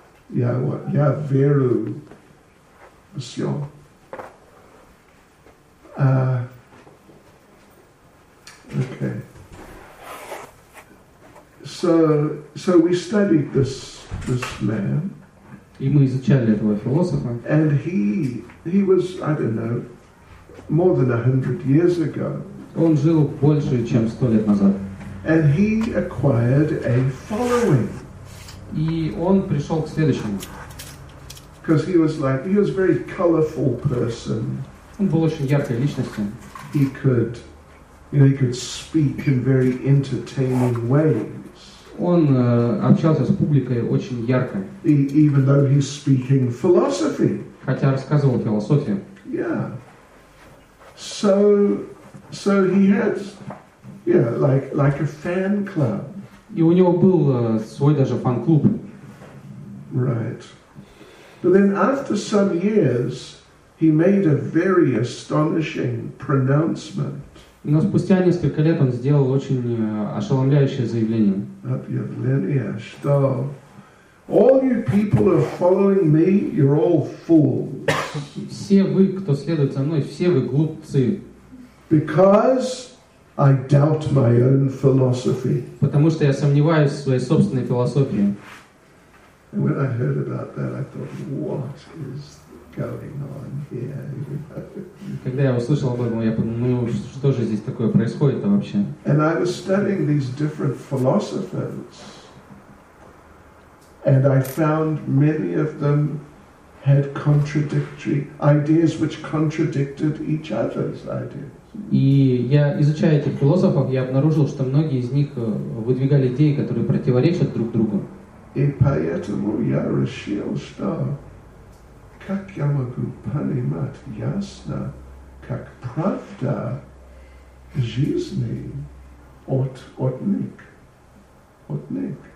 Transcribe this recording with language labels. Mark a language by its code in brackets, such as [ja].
[ru] Я верю в все. [en] So we studied this man. [ru] И мы изучали этого философа. [en] And he was, I don't know, more than 100 years ago. [ru] Он жил больше, чем 100 лет назад. [en] And he acquired a following. [ru] И он пришел к следующему. [en] Because he was a very colorful person. [ru] Он был очень яркой личностью. [en] He could speak in very entertaining ways. [ru] Он общался с публикой очень ярко. [en] Even though he's speaking philosophy. [ru] Хотя рассказывал философию. [en] Yeah. So he had, yeah, like a fan club. [ru] И у него был свой даже фан-клуб. [en] Right. But then after some years, he made a very astonishing pronouncement. [ru] Но спустя несколько лет он сделал очень ошеломляющее заявление. Объявление, что [en] all you people are following me, you're all fools. [ru] Все вы, кто следует за мной, все вы глупцы. [en] Because I doubt my own philosophy. [ru] Потому что я сомневаюсь в своей собственной философии. [en] And when I heard about that, I thought, what is this? Going on here. [ru] Когда я услышал об этом, я подумал, что же здесь такое происходит-то вообще? [en] And I was studying these different philosophers, and I found many of them had contradictory ideas, which contradicted each other's ideas. [ru] И я, изучая этих философов, я обнаружил, что многие из них выдвигали идеи, которые противоречат друг другу. И поэтому я решил, что как я могу понимать ясно, как правда жизни от них. От них.